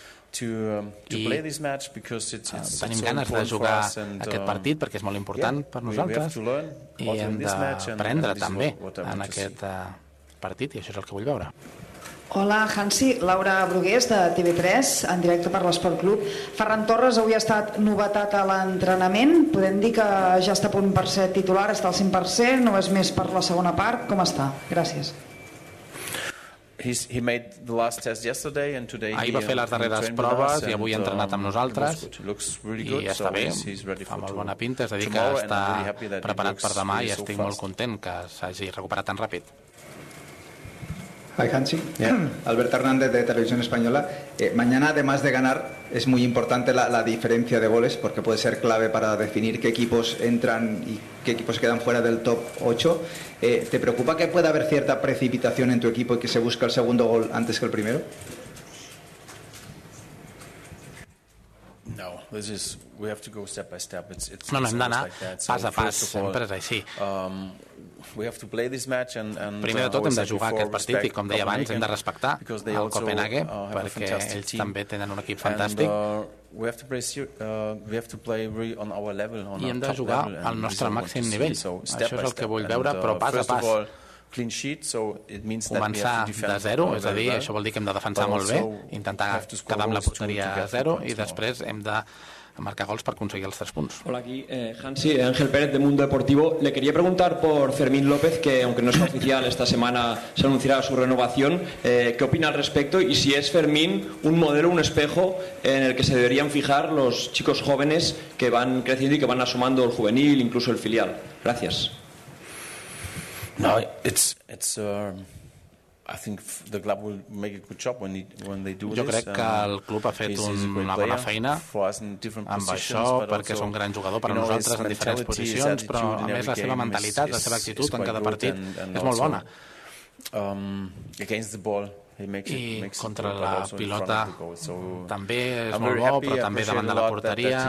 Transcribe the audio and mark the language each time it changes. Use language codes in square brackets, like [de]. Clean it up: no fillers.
[ca] Tenim ganes de jugar aquest partit perquè és molt important per nosaltres i hem d'aprendre també en aquest partit, i això és el que vull veure. Hola, Hansi. Laura Brugués, de TV3, en directe per l'Esport Club. Ferran Torres avui ha estat novetat a l'entrenament. Podem dir que ja està a punt per ser titular, està al 100%, no és més per la segona part. Com està? Gràcies. [en] He made the last test yesterday and today [ca] ahir va fer les darreres proves i avui ha entrenat amb nosaltres i està bé, fa molt bona pinta, és a dir que està preparat per demà i estic molt content que s'hagi recuperat tan ràpid. [en] Hi, Hansi. Yeah. Alberto Hernández, de Televisión Española. [es] Mañana, además de ganar, es muy importante la diferencia de goles, porque puede ser clave para definir qué equipos entran y qué equipos quedan fuera del top 8. ¿Te preocupa que pueda haber cierta precipitación en tu equipo y que se busque el segundo gol antes que el primero? [en] No, this is, we have to go step by step. It's [ca] no, no, hem d'anar pas a pas, sempre és així. [en] We have to play this match and [ca] primer de tot hem de jugar aquest partit i, com deia abans, hem de respectar el Copenhague perquè ells també tenen un equip fantàstic. I hem de jugar al nostre màxim nivell. Això és el que vull veure, però pas a pas. [en] Clean sheet, so it means [ca] començar [en] that we [ca] de zero, és a dir, això vol dir que hem de defensar molt bé, intentar quedar amb la porteria a zero i després hem de marcar gols per aconseguir els tres punts. [es] Hola, aquí Hansi, Ángel Pérez, de Mundo Deportivo. Le quería preguntar por Fermín López, que aunque no es oficial, esta semana se anunciará su renovación. ¿Qué opina al respecto? Y si es Fermín un modelo, un espejo en el que se deberían fijar los chicos jóvenes que van creciendo y que van asomando el juvenil, incluso el filial. Gracias. [en] No, I think the club will make a good job when they do this. [ca] Jo crec que el club ha fet una bona feina amb això, perquè és un gran jugador per a nosaltres en diferents posicions, però a més la seva mentalitat, la seva actitud en cada partit és molt bona. [en] Against the ball, [ca] i contra la pilota també és molt bo, però també davant de la porteria.